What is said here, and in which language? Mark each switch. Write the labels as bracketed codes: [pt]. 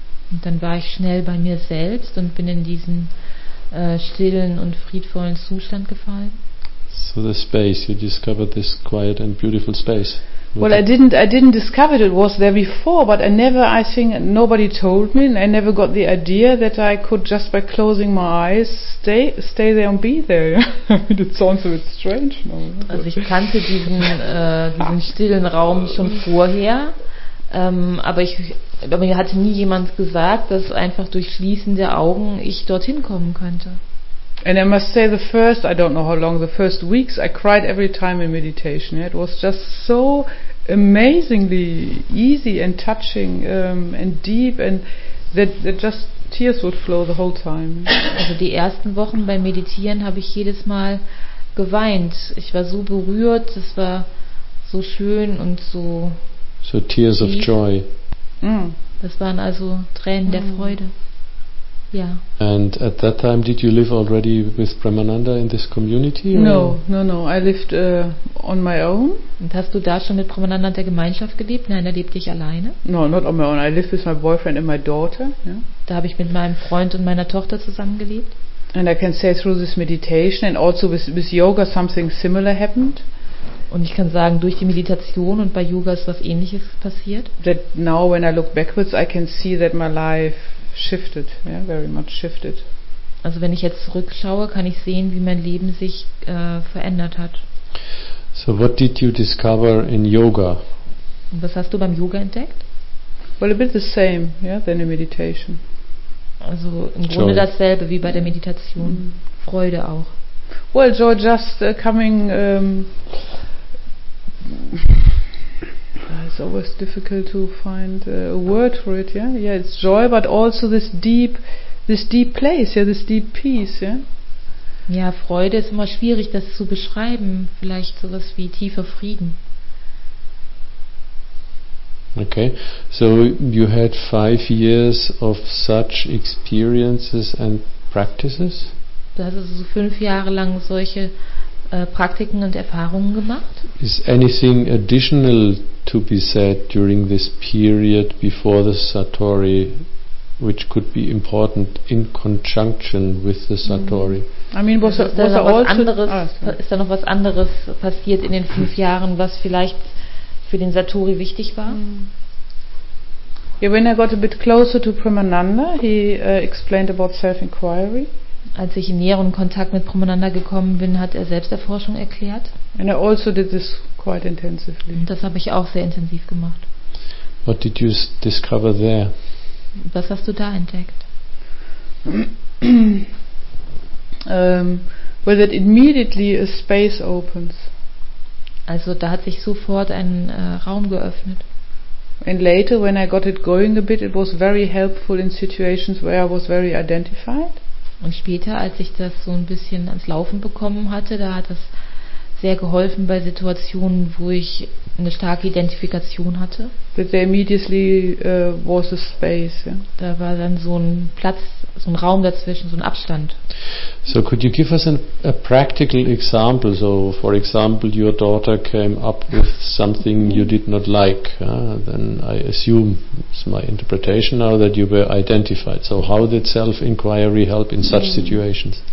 [de] Und dann war ich schnell bei mir selbst und bin in diesen stillen und friedvollen Zustand gefallen. [en] So the space, you discovered this quiet and beautiful space. Well, I didn't discover it was there before, but nobody told me, and I never got the idea that I could just by closing my eyes stay there and be there. It sounds a bit strange. No? [de] Also ich kannte diesen stillen Raum schon vorher, aber mir hatte nie jemand gesagt, dass einfach durch Schließen der Augen ich dorthin kommen könnte. [en] And I must say the first weeks I cried every time in meditation. It was just so amazingly easy and touching and deep, and that just tears would flow the whole time. [de] Also die ersten Wochen beim Meditieren habe ich jedes Mal geweint. Ich war so berührt, es war so schön und so. [en] So tears deep. Of joy. Mm. [de] Das waren also Tränen der Freude. [en] Yeah. And at that time, did you live already with Premananda in this community? No. I lived on my own. [de] Und hast du da schon mit Premananda in der Gemeinschaft gelebt? Nein, da lebte ich alleine. [en] No, not on my own. I lived with my boyfriend and my daughter. Yeah. [de] Da habe ich mit meinem Freund und meiner Tochter zusammen gelebt. [en] And I can say through this meditation and also with yoga something similar happened. [de] Und ich kann sagen, durch die Meditation und bei Yoga ist was Ähnliches passiert. [en] That now, when I look backwards, I can see that my life shifted, yeah, very much shifted. [de] Also wenn ich jetzt zurückschaue, kann ich sehen, wie mein Leben sich verändert hat. [en] So what did you discover in yoga? [de] Und was hast du beim Yoga entdeckt? [en] Well, a bit the same, yeah, than in meditation. [de] Also im Grunde dasselbe wie bei der Meditation. Mm. Freude auch. [en] Well, joy just coming. It's always difficult to find a word for it, yeah? Yeah, it's joy, but also this deep place, yeah, this deep peace, yeah? [de] Ja, Freude ist immer schwierig, das zu beschreiben. Vielleicht sowas wie tiefer Frieden. [en] Okay, so you had 5 years of such experiences and practices? [de] Du hast also 5 Jahre lang solche Praktiken und Erfahrungen gemacht. [en] Is anything additional to be said during this period before the Satori, which could be important in conjunction with the Satori? I mean, [de] ist da noch was anderes passiert in den 5 Jahren, was vielleicht für den Satori wichtig war? [en] Yeah, when I got a bit closer to Premananda, he explained about self-inquiry. [de] Als ich in näheren Kontakt mit Premananda gekommen bin, hat er Selbsterforschung erklärt. [en] And I also did this quite intensively. [de] Das habe ich auch sehr intensiv gemacht. [en] What did you discover there? [de] Was hast du da entdeckt? [en] Well, that immediately a space opens. [de] Also da hat sich sofort ein Raum geöffnet. [en] And later, when I got it going a bit, it was very helpful in situations where I was very identified. [de] Und später, als ich das so ein bisschen ans Laufen bekommen hatte, da hat das sehr geholfen bei Situationen, wo ich eine starke Identifikation hatte. [en] That there immediately was a space. Yeah. [de] Da war dann so ein Platz, so ein Raum dazwischen, so ein Abstand. [en] So could you give us a practical example? So for example, your daughter came up with something you did not like. Then I assume, it's my interpretation now, that you were identified. So how did self-inquiry help in such situations?